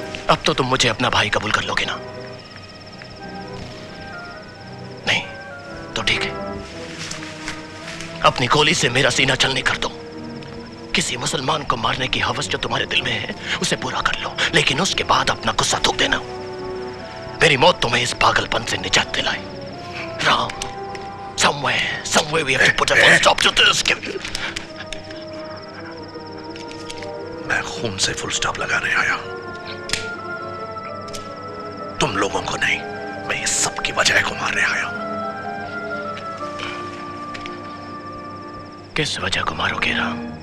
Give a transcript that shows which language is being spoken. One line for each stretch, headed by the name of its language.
Hindi: अब तो तुम मुझे अपना भाई कबूल कर लोगे ना? नहीं तो ठीक है, अपनी गोली से मेरा सीना छलनी कर दो। किसी मुसलमान को मारने की हवस जो तुम्हारे दिल में है उसे पूरा कर लो, लेकिन उसके बाद अपना गुस्सा थूक देना। मेरी मौत तुम्हें इस पागलपन से निजात दिलाए।
English: Ram, somewhere we have to put a full stop to this.
Hindi: मैं खून से फुल स्टॉप लगाने आया, तुम लोगों को नहीं, मैं इस सब की वजह को मारने आया। किस वजह को मारोगे राम?